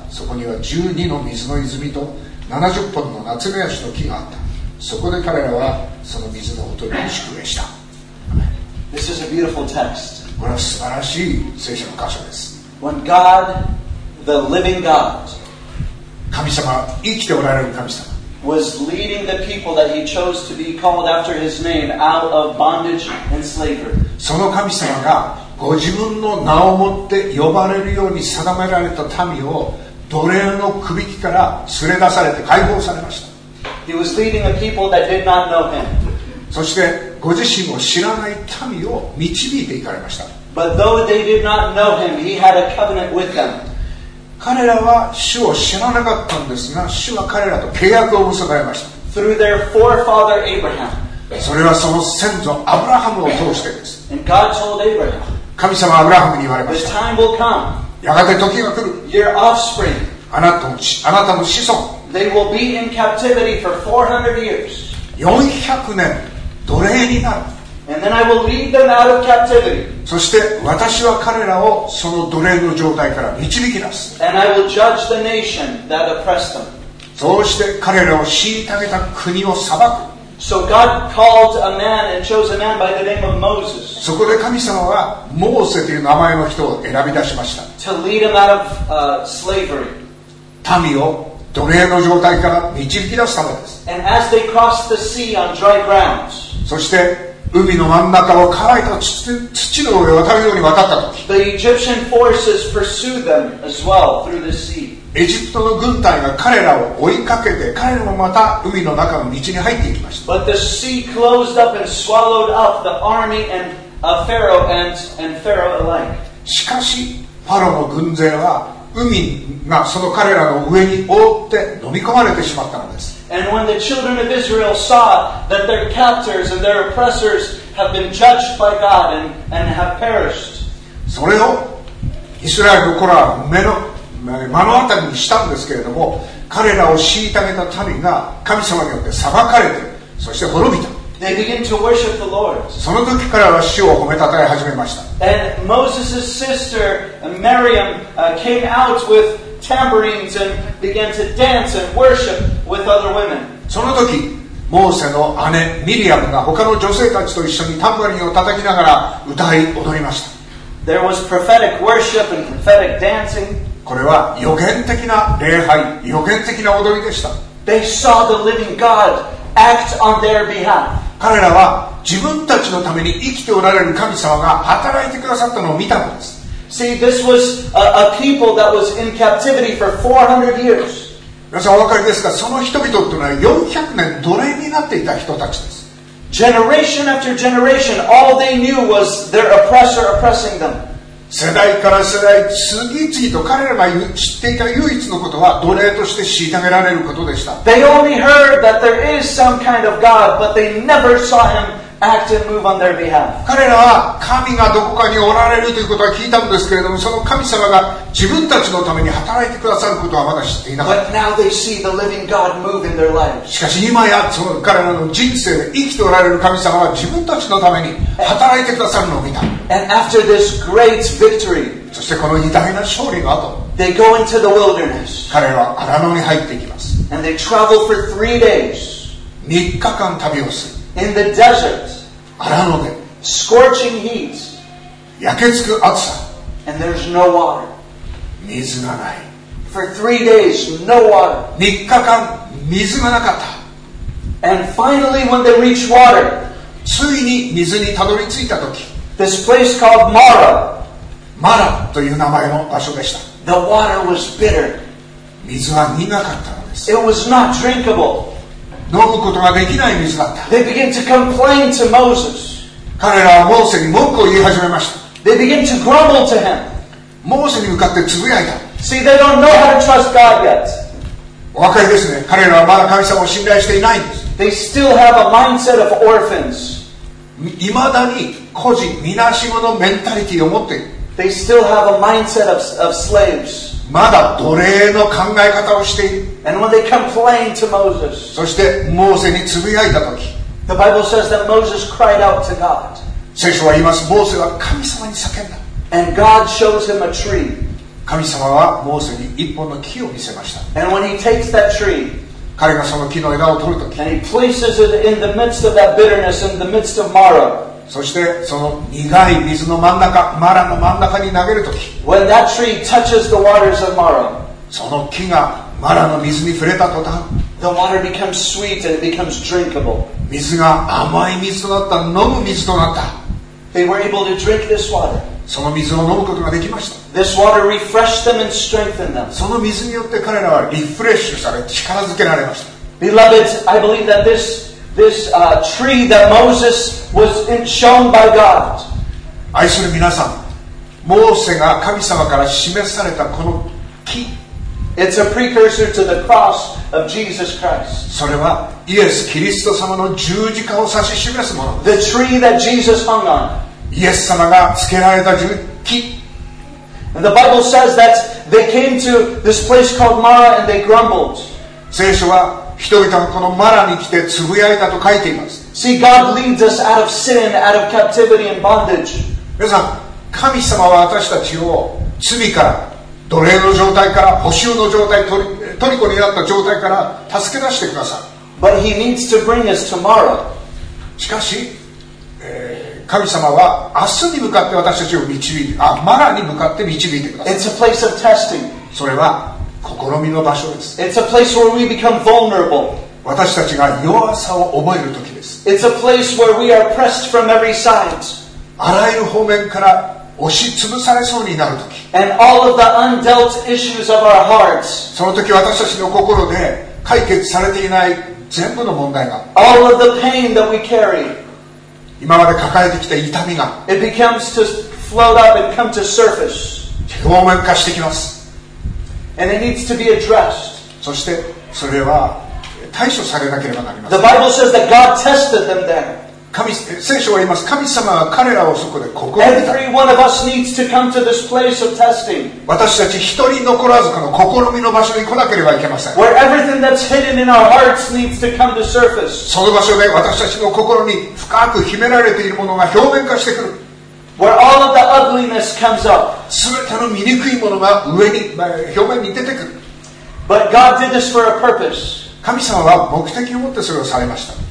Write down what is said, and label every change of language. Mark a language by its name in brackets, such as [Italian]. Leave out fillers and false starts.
[Japanese] そこには12の水の泉と70本の夏目足の木があった。そこで彼らはその水のほとりに宿営した。 [English] This is a beautiful text. [Japanese] これは素晴らしい聖書の箇所です。 [English] When God, the living God, [Japanese] 神様、生きておられる神様、 [English] was leading the people that he chose to be called after his name out of bondage and slavery. [Japanese] その神様がご自分の名を持って呼ばれるように定められた民を奴隷の首輝きから連れ出されて解放されました。 [English] He was leading a people that did not know him. [Japanese] そしてご自身を知らない民を導いていかれました。 [English] But though they did not know him, he had a covenant with them. [Japanese] 彼らは主を知らなかったんですが、主は彼らと契約を結ばれました。 [English] Through their forefather Abraham. [Japanese] それはその先祖アブラハムを通してです。 [English] And God told Abraham. [Japanese] 神様はアブラハムに言われました。 [English] The time will come. [Japanese] やがて時が来る。 [English] Your offspring. [Japanese] あなたの子孫。 [English] They will be in captivity for 400 years. [Japanese] 400年。奴隷になる。 [English] And then I will lead them out of captivity. [Japanese] そして私は彼らをその奴隷の状態から導き出す。 [English] And I will judge the nation that oppressed them. [Japanese] そうして彼らを虐げた国を裁く。 [English] So God called a man and chose a man by the name of Moses. [Japanese] そこで神様はモーセという名前の人を選び出しました。 [English] To lead them out of slavery. [Japanese] 民を奴隷の状態から導き出すためです。 [English] And as they crossed the sea on dry grounds. [Japanese] そして海の真ん中を乾いた土の上を渡るように渡ったとき、 [English] The Egyptian forces pursued them as well through the sea. [Japanese] エジプトの軍隊が彼らを追いかけて、彼らもまた海の中の道に入っていきました。 [English] But the sea closed up and swallowed up the army and Pharaoh alike. [Japanese] しかしファロの軍勢は海がその彼らの上に覆って飲み込まれてしまったのです。 [English] And when the children of Israel saw that their captors and their oppressors have been judged by God and have perished, [Japanese] それをイスラエルの子らは目の当たりにしたんですけれども、彼らを虐げた民が神様によって裁かれて、そして滅びた。 [English] They begin to worship the Lord. [Japanese] その時からは主を褒めたたえ始めました。 [English] And Moses' sister Miriam came out with tambourines and began to dance and worship with other women. [Japanese] その時、モーセの姉ミリアムが他の女性たちと一緒にタンバリンを叩きながら歌い踊りました。 [English] There was prophetic worship and prophetic dancing. [Japanese] これは予言的な礼拝、予言的な踊りでした。 [English] They saw the living God. Act on their behalf. [Japanese] 彼らは自分たちのために生きておられる神様が働いてくださったのを見たのです。 [English] See, this was a people that was in captivity for 400 years. [Japanese] 皆さんお分かりですか？その人々というのは400年奴隷になっていた人たちです。 [English] Generation after generation, all they knew was their oppressor oppressing them. [Japanese] 世代から世代、次々と彼らが知っていた唯一のことは奴隷として虐げられることでした。彼らは神がどこかにおられるということは聞いたんですけれども、その神様が自分たちのために働いてくださることはまだ知っていなかった。 [English] But now they see the living God move in their lives. [Japanese] しかし今やその彼らの人生で生きておられる神様は自分たちのために働いてくださるのを見た。 [English] And after this great victory, [Japanese] そしてこの偉大な勝利の後、 [English] they go into the wilderness. [Japanese] 彼らは荒野に入っていきます。 [English] And they travel for three days. [Japanese] 3日間旅をする。 [English] In the desert. [Japanese] 荒野で。 [English] Scorching heat. [Japanese] 焼けつく暑さ。 [English] And there's no water. [Japanese] 水がない。 [English] For three days, no water. [Japanese] 3日間水がなかった。 [English] And finally, when they reach water, [Japanese] ついに水にたどり着いた時、 [English] This place called Mara, [Japanese] マラという名前の場所でした。 [English] The water was bitter. [Japanese] 水は苦かったのです。です。 [English] It was not drinkable. [Japanese] 飲むことができない水だった。 [English] They began to complain to Moses. [Japanese] 彼らはモーセに文句を言い始めました。 [English] They began to grumble to him. [Japanese] モーセに向かってつぶやいた。 [English] See, they don't know how to trust God yet. [Japanese] お分かりですね。彼らはまだ神様を信頼していないんです。 [English] They still have a mindset of orphans. [Japanese] 未だに孤児、みなしごのメンタリティを持っている。 [English] They still have a mindset of slaves. [Japanese] まだ奴隷の考え方をしている。 [English] And when they complained to Moses, [Japanese] そしてモーセにつぶやいたとき、 [English] The Bible says that Moses cried out to God. [Japanese] 聖書は言います。モーセは神様に叫んだ。 [English] And God shows him a tree. [Japanese] 神様はモーセに一本の木を見せました。 [English] And when he takes that tree, [Japanese] 彼がその木の枝を取るとき、 [English] And he places it in the midst of that bitterness, in the midst of Marah. [Japanese] そしてその苦い水の真ん中、マラの真ん中に投げるとき、 [English] When that tree touches the waters of Marah, [Japanese] その木がマラの水に触れた途端、 [English] The water becomes sweet and it becomes drinkable. [Japanese] 水が甘い水となった、飲む水となった。 [English] They were able to drink this water. [Japanese] その水を飲むことができました。 [English] This water refreshed them and strengthened them. [Japanese] その水によって彼らはリフレッシュされ、力づけられました。 [English] Beloved, I believe that this tree that Moses was shown by God. [Japanese] 愛する皆さん、モーセが神様から示されたこの木。 [English] It's a precursor to the cross of Jesus Christ. [Japanese] それはイエス・キリスト様の十字架を指し示すもの。 [English] The tree that Jesus hung on. [Japanese] イエス様がつけられた木。 [English] And the Bible says that they came to this place called Marah and they grumbled. [Japanese] 聖書は人々がこのマラに来てつぶやいたと書いています。 [English] See, God leads us out of sin, out of captivity and bondage. [Japanese] 皆さん、神様は私たちを罪から、奴隷の状態から、捕囚の状態、虜になった状態から助け出してください。 [English] But he needs to bring us to Marah. [Japanese] しかし、神様は明日に向かって私たちを導いて、マラに向かって導いてください。 [English] It's a place of testing. [Japanese] それは、試みの場所です。 [English] It's a place where we become vulnerable. [Japanese] 私たちが弱さを覚える時です。 [English] It's a place where we are pressed from every side. [Japanese] あらゆる方面から押しつぶされそうになる時。 [English] And all of the undealt issues of our hearts. [Japanese] その時私たちの心で解決されていない全部の問題が。 [English] All of the pain that we carry. [Japanese] 今まで抱えてきた痛みが。 [English] It becomes to float up and come to surface. [Japanese] 表面化してきます。 [English] And it needs to be addressed. [Japanese] そしてそれは対処されなければなりません。 [English] The Bible says that God tested them then. [Japanese] 聖書は言います。神様は彼らをそこで試みた。 [English] Every one of us needs to come to this place of testing. [Japanese] 私たち一人残らずこの試みの場所に来なければいけません。 [English] Where everything that's hidden in our hearts needs to come to surface. [Japanese] その場所で私たちの心に深く秘められているものが表面化してくる。 [English] Where all of the ugliness comes up. [Japanese] 全ての醜いものが上に、表面に出てくる。 [English] But God did this for a purpose. [Japanese] 神様は目的を持ってそれをされました。